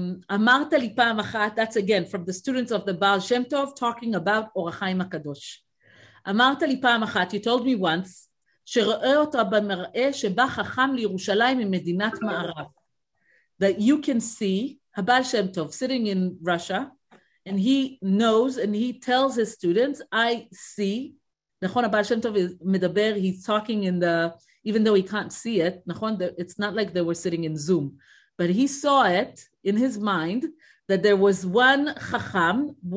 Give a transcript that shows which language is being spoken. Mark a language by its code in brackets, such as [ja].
[he] אמרת לי פעם אחת, [en] that's again from the students of the Baal Shem Tov talking about Or HaChaim HaKadosh. [he] אמרת לי פעם אחת, [en] you told me once, [he] שראה אותה במראה שבא חכם לירושלים ממדינת מערב. [en] that you can see Habal Shem Tov sitting in Russia, and he knows and he tells his students, I see. Nachon, Habal Shem Tov is medaber, he's talking in the, even though he can't see it, Nachon, it's not like they were sitting in Zoom, but he saw it in his mind that there was one Chacham